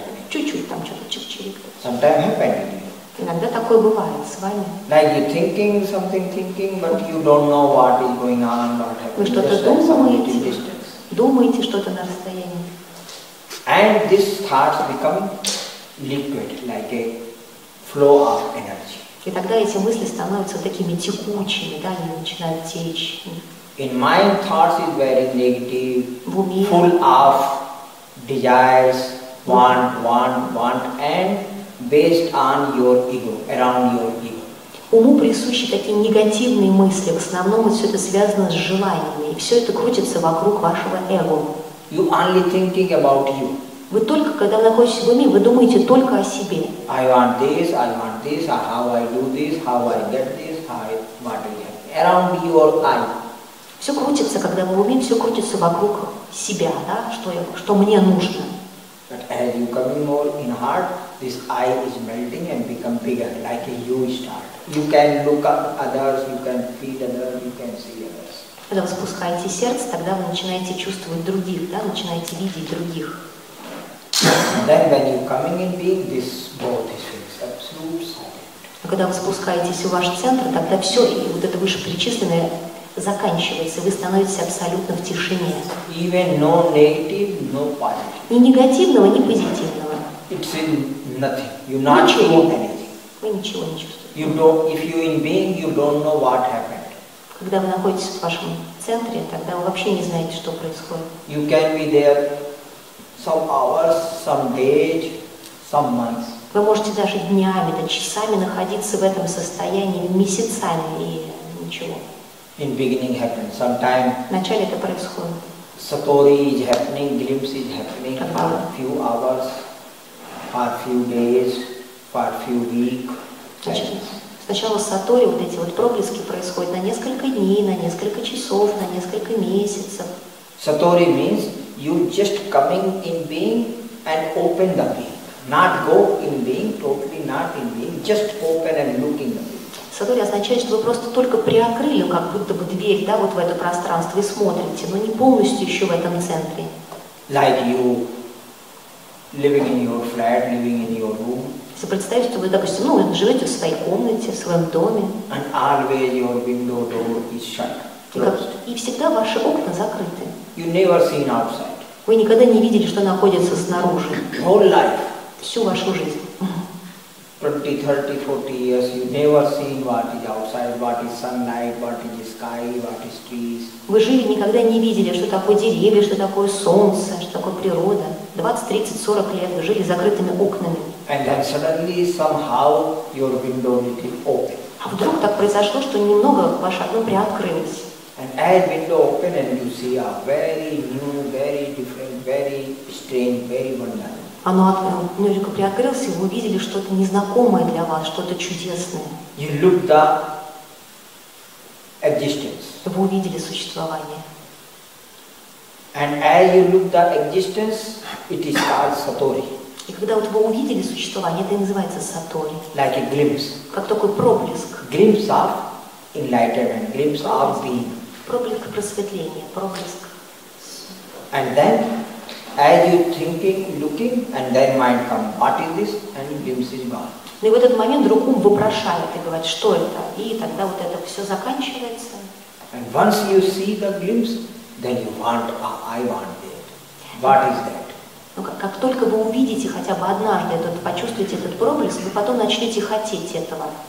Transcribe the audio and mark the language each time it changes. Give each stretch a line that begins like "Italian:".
Russian: Чуть-чуть там что-то чик-чирик.
English: Sometimes happen.
Russian: Иногда такое бывает с вами.
English: Like you're thinking something, thinking, but you don't know what is going on, what happened.
Russian: Вы что-то думаете что-то на расстоянии.
English: And this thoughts become liquid, like a flow of energy.
Russian: И тогда эти мысли становятся такими текучими, да, они начинают течь.
English: In mind, thoughts is very negative,
Russian: в уме,
English: full of desires, want, and based on your ego, around your ego.
Russian: Уму присущи такие негативные мысли, в основном все это связано с желаниями, и все это крутится вокруг вашего эго.
English: You only thinking about you.
Russian: Вы только, когда вы находитесь в уме, вы думаете только о себе.
English: I want this, I want this, how I do this, how I get this, how I, what I get. Around your eye.
Russian: Все крутится, когда вы в уме, все крутится вокруг себя, да, что мне нужно.
English: But as you come more in heart, this eye is melting and become bigger, like a huge star. You can look at others, you can feel others, you can see others.
Russian: Когда вы спускаете сердце, тогда вы начинаете чувствовать других, да, начинаете видеть других.
English: And then when you coming in being, this both is fixed, absolute silent.
Russian: Когда вы спускаетесь в ваш центр, тогда все, и вот это вышеперечисленное заканчивается, вы становитесь абсолютно в тишине.
English: Even no negative, no positive.
Russian: Ни негативного, ни позитивного.
English: It's in nothing. You not
Russian: ничего.
English: Feel anything.
Russian: Вы ничего не чувствуете.
English: You don't, if you in being, you don't know what happened.
Russian: Когда вы находитесь в вашем центре, тогда вы вообще не знаете, что происходит.
English: You can be there. Some hours, some days, some months.
Russian: Вы можете даже днями, да, часами находиться в этом состоянии, месяцами и ничего.
English: In beginning happens, sometime.
Russian: В начале это происходит.
English: Satori is happening, glimpse is happening for a few hours, for a few days, for a few weeks.
Russian: Сначала сатори, вот эти вот проблески происходят на несколько дней, на несколько часов, на несколько месяцев.
English: Satori means you just coming in being and open the being. Not go in being, totally not in being, just open and looking the being.
Russian: Сатори означает, что вы просто только приоткрыли как будто бы дверь, да, вот в это пространство и смотрите, но не полностью еще в этом центре.
English: Like you living in your flat, living in your room.
Russian: Если представить, что вы, допустим, ну, живете в своей комнате, в своем доме.
English: And always your window door is shut.
Russian: И всегда ваши окна закрыты.
English: You never seen outside.
Russian: Вы никогда не видели, что находится снаружи.
English: Whole life.
Russian: Всю вашу жизнь.
English: 20, 30, 40 years, you never seen what is outside, what is sunlight, what is sky, what is trees.
Russian: Вы жили, никогда не видели, что такое деревья, что такое солнце, что такое природа. 20, 30, 40 лет вы жили закрытыми окнами.
English: And then suddenly, somehow, your window little open.
Russian: А вдруг так произошло, что немного ваше окно приоткрылось.
English: And as window open and you see a very new, very different, very strange, very wonderful.
Russian: Вы видели что-то незнакомое для вас, что-то чудесное.
English: You look the existence.
Russian: Вы увидели существование.
English: And as you look the existence, it is called satori.
Russian: И когда вот вы увидели существование, это и называется сатори.
English: Like a glimpse.
Russian: Как такой проблеск.
English: Glimpse of enlightenment, glimpse of being.
Russian: Проблеск просветления, проблеск.
English: And then, as you thinking, looking, and then mind come, what is this? And glimpse is gone.
Russian: Ну и в этот момент друг ум вопрошает и говорит, что это? И тогда вот это все заканчивается.
English: And once you see the glimpse, then you want, I want that. What is that?
Russian: Ну, как только вы увидите хотя бы однажды этот, почувствуете этот проблеск, вы потом начнете хотеть этого.